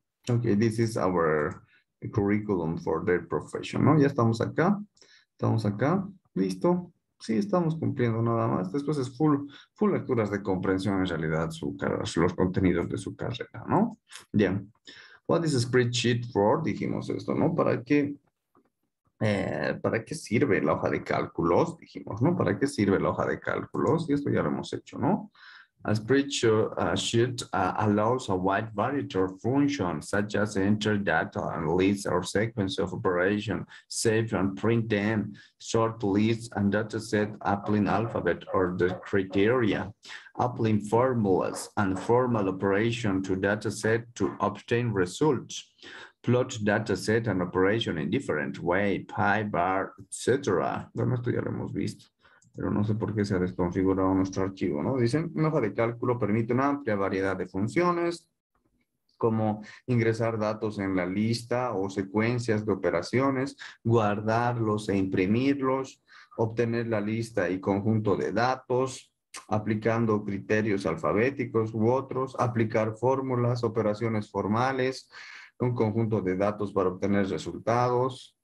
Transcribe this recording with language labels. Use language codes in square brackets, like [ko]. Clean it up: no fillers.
[en] Okay, this is our curriculum for their profession, ¿no? [es] Ya estamos acá. Estamos acá. Listo. Sí, estamos cumpliendo nada más. Después es full lecturas de comprensión, en realidad, los contenidos de su carrera, ¿no? [en] Bien. What is a spreadsheet for? [es] Dijimos esto, ¿no? ¿Para qué sirve la hoja de cálculos? Dijimos, ¿no? ¿Para qué sirve la hoja de cálculos? Y esto ya lo hemos hecho, ¿no? [en] A spreadsheet allows a wide variety of functions, such as enter data and lists or sequence of operations, save and print them, sort lists and data set, applying alphabet or the criteria, applying formulas and formal operation to data set to obtain results, plot data set and operation in different way, pie, bar, etc. [es] Bueno, esto ya lo hemos visto. Pero no sé por qué se ha desconfigurado nuestro archivo, ¿no? Dicen, una hoja de cálculo permite una amplia variedad de funciones, como ingresar datos en la lista o secuencias de operaciones, guardarlos e imprimirlos, obtener la lista y conjunto de datos, aplicando criterios alfabéticos u otros, aplicar fórmulas, operaciones formales, un conjunto de datos para obtener resultados.